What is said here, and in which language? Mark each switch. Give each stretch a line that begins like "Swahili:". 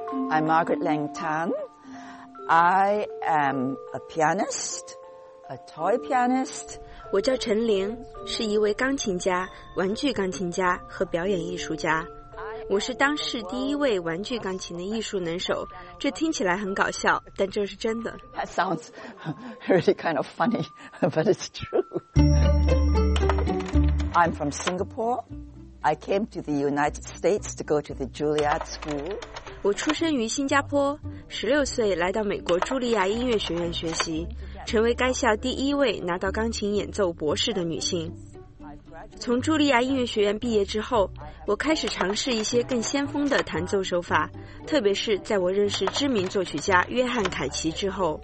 English: I'm Margaret Leng Tan. I am a pianist, a toy pianist.
Chinese: 我叫陈玲，是一位钢琴家、玩具钢琴家和表演艺术家。我是当世第一位玩具钢琴的艺术能手，这听起来很搞笑，但这是真的。
English: That sounds really kind of funny, but it's true. I'm from Singapore. I came to the United States to go to the Juilliard School.
Chinese: 我出生于新加坡，16岁来到美国茱莉亚音乐学院学习，成为该校第一位拿到钢琴演奏博士的女性。从茱莉亚音乐学院毕业之后，我开始尝试一些更先锋的弹奏手法，特别是在我认识知名作曲家约翰凯奇之后。